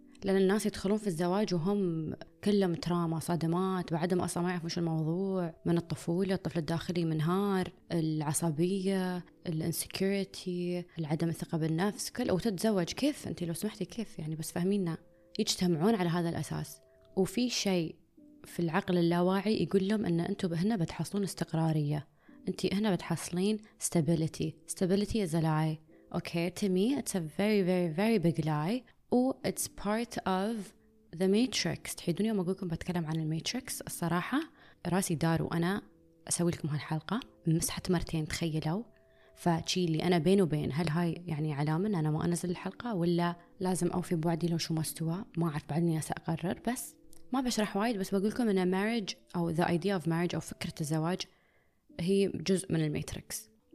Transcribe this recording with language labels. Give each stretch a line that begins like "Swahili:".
Arabic: لأن الناس يدخلون في الزواج وهم كلهم تراما، صدمات، بعدهم أصلا ما يعرفون شو الموضوع، من الطفولة، الطفل الداخلي منهار، العصبية، الانسيكوريتي، العدم الثقة بالنفس، كل وتتزوج كيف أنت لو سمحتي كيف يعني، بس فهمينا. يجتمعون على هذا الأساس، وفي شيء في العقل اللاواعي يقول لهم أن أنتوا هنا بتحصلون استقرارية، أنت هنا بتحصلين stability.
English: Stability is a lie. Okay, to me it's a very very very big lie. Oh, it's part of the matrix.
Arabic: تحيدوني يوم أقولكم بتكلم عن الماتريكس، الصراحة راسي دار وأنا أسوي لكم هالحلقة مسحت مرتين تخيلوا. فشي اللي أنا بين وبين، هل هاي يعني علامة أنا ما أنزل الحلقة ولا لازم أوفي بوعدي لو شو مستوى؟ ما أعرف بعدني سأقرر، بس ما بشرح وايد، بس بقولكم إن marriage أو
English: the idea of marriage
Arabic: أو فكرة الزواج هي جزء من الماتريكس.